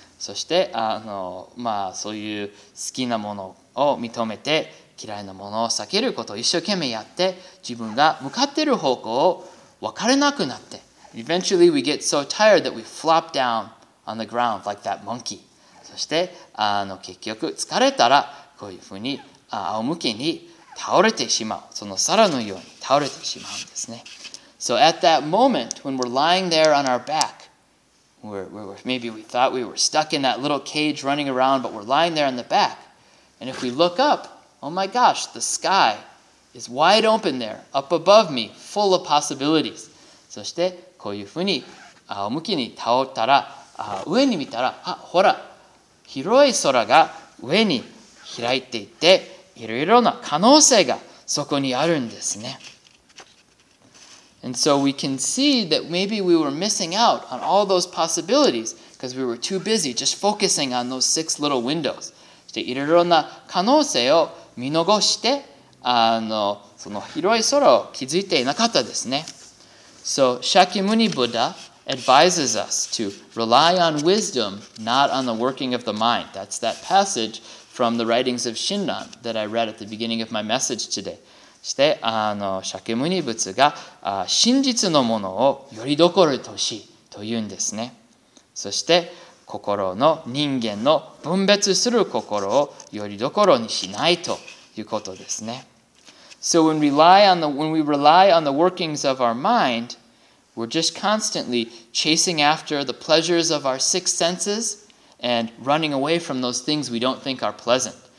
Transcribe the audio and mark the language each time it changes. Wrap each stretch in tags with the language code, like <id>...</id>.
<ja>そしてそういう好きなものを認めて嫌いなものを避けることを一生懸命やって自分が向かっている方向を分からなくなって。</ja> <en>Eventually we get so tired that we flop down on the ground like that monkey.</en> <ja>そして結局疲れたらこういうふうに仰向けに倒れてしまう、その皿のように倒れてしまうんですね。</ja> <en>So at that moment when we're lying there on our back, maybe we thought we were stuck in that little cage running around, but we're lying there on the back, and if we look up, oh my gosh, the sky is wide open there, up above me, full of possibilities.</en> <ja>そしてこういうふうに仰向けに倒ったら上に見たら、あ、ほら広い空が上に開いていて、いろいろな可能性がそこにあるんですね。</ja> <en>And so we can see that maybe we were missing out on all those possibilities because we were too busy just focusing on those six little windows.</en> <ja>そしていろいろな可能性を見逃して、その広い空を気づいていなかったですね。</ja> <en>So Shakyamuni Buddha advises us to rely on wisdom, not on the working of the mind. That's that passage from the writings of Shinran that I read at the beginning of my message today.</en> <ja>して、シャケムニ仏が真実のものをよりどころとしというんですね。そして、心の人間の分別する心をよりどころにしないということですね。</ja> <en>So when we rely on the workings of our mind, we're just constantly chasing after the pleasures of our six senses and running away from those things we don't think are pleasant.</en>